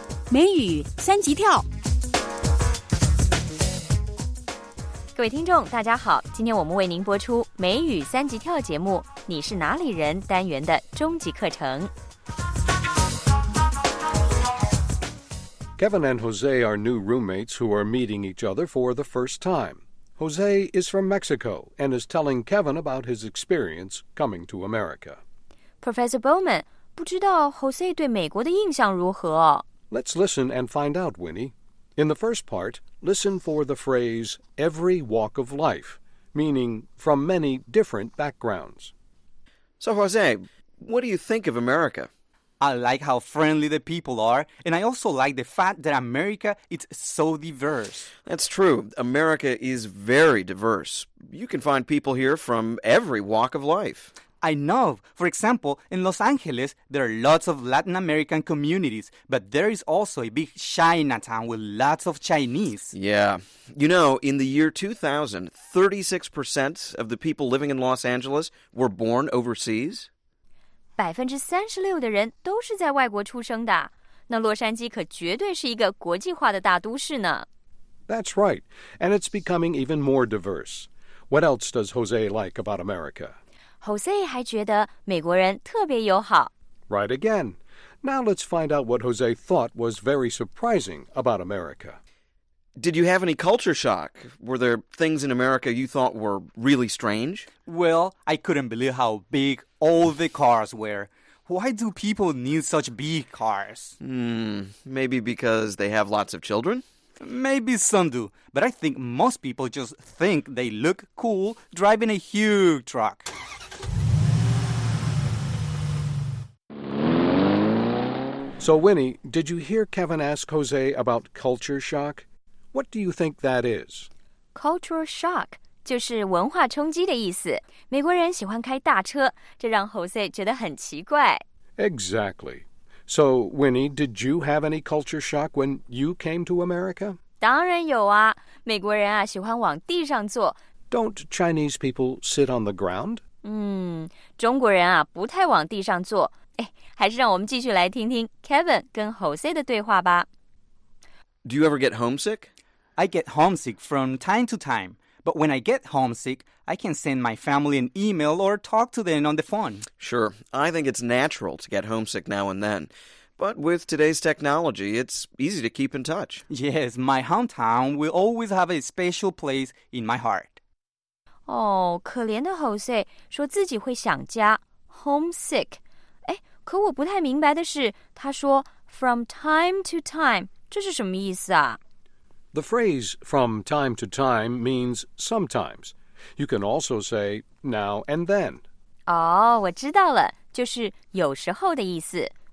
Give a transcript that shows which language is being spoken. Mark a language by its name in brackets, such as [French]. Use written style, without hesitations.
[Chinese] 美语三级跳，各位听众大家好，今天我们为您播出美语三级跳节目你是哪里人单元的终极课程。 [English] Kevin and Jose are new roommates who are meeting each other for the first time. Jose is from Mexico and is telling Kevin about his experience coming to America. [Chinese] Professor Bowman, 不知道 Jose 对美国的印象如何？ [English] Let's listen and find out, Winnie. In the first part, listen for the phrase every walk of life, meaning from many different backgrounds. So Jose, what do you think of America? I like how friendly the people are, and I also like the fact that America is so diverse. That's true. America is very diverse. You can find people here from every walk of life. I know. For example, in Los Angeles, there are lots of Latin American communities, but there is also a big Chinatown with lots of Chinese. Yeah. You know, in the year 2000, 36% of the people living in Los Angeles were born overseas. [Chinese] 36% 的人都是在外国出生的，那洛杉矶可绝对是一个国际化的大都市呢。 [English] That's right, and it's becoming even more diverse. What else does Jose like about America? [Chinese] Jose 还觉得美国人特别友好。 [English] Right again. Now let's find out what Jose thought was very surprising about America. Did you have any culture shock? Were there things in America you thought were really strange? Well, I couldn't believe how big... All the cars were. Why do people need such big cars? Maybe because they have lots of children? Maybe some do, but I think most people just think they look cool driving a huge truck. So Winnie, did you hear Kevin ask Jose about culture shock? What do you think that is? [Chinese] Culture shock. 就是文化冲击的意思。美国人喜欢开大车，这让 Jose 觉得很奇怪。 [English] Exactly. So, Winnie, did you have any culture shock when you came to America? [Chinese] 当然有啊，美国人啊喜欢往地上坐。 [English] Don't Chinese people sit on the ground? [Chinese] 中国人啊不太往地上坐。哎，还是让我们继续来听听 Kevin 跟 Jose 的对话吧。 [English] Do you ever get homesick? I get homesick from time to time. But when I get homesick, I can send my family an email or talk to them on the phone. Sure. I think it's natural to get homesick now and then. But with today's technology, it's easy to keep in touch. Yes, my hometown will always have a special place in my heart. [Chinese] Oh, 可怜的 Jose 说自己会想家。homesick. 哎，可我不太明白的是，他说 from time to time, 这是什么意思啊？ [English] The phrase from time to time means sometimes. You can also say now and then. [Chinese] 哦，我知道了，就是有时候的意思。